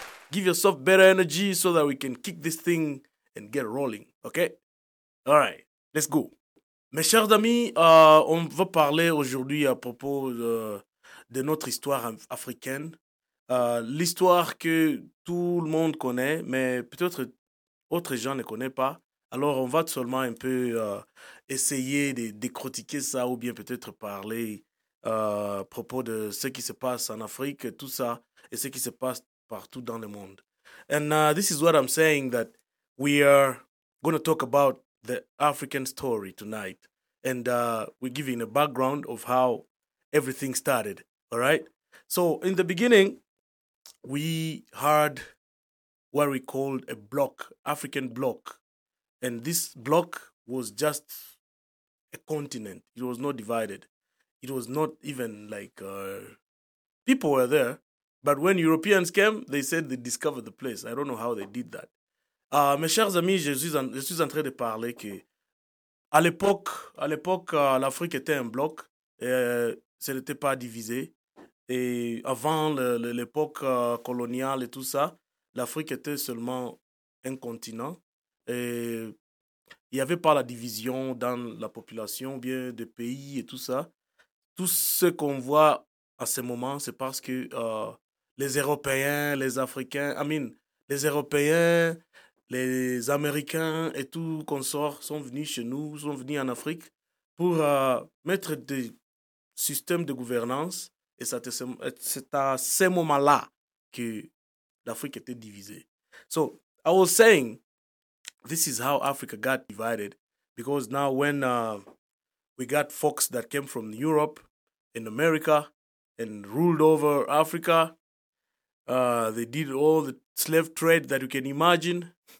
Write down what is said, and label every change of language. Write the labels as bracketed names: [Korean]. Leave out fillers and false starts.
[English] Give yourself better energy so that we can kick this thing and get rolling, okay? All right, let's go. [French] Mes chers amis, on va parler aujourd'hui à propos de notre histoire africaine. L'histoire que tout le monde connaît, mais peut-être autres gens ne connaissent pas. Alors on va seulement un peu essayer de décortiquer ça ou bien peut-être parler à propos de ce qui se passe en Afrique, tout ça, et ce qui se passe partout dans le monde. [English] And this is what I'm saying, that we are going to talk about the African story tonight. And we're giving a background of how everything started, all right? So in the beginning, we had what we called a block, African block. And this block was just a continent. It was not divided. It was not even like people were there. But when Europeans came, they said they discovered the place. I don't know how they did that. [French] Mes chers amis, je suis en train de parler que à l'époque, l'Afrique était un bloc. Ce n'était pas divisé. Et avant l'époque coloniale et tout ça, l'Afrique était seulement un continent. Et il n'y avait pas la division dans la population, bien des pays et tout ça. Tout ce qu'on voit à ce moment, c'est parce que les Européens, les Américains et tout consort sont venus chez nous, sont venus en Afrique pour mettre des systèmes de gouvernance. Et c'est à ce moment-là que l'Afrique était divisée. [English] So, I was saying, this is how Africa got divided. Because now when we got folks that came from Europe, in America, and ruled over Africa. They did all the slave trade that you can imagine.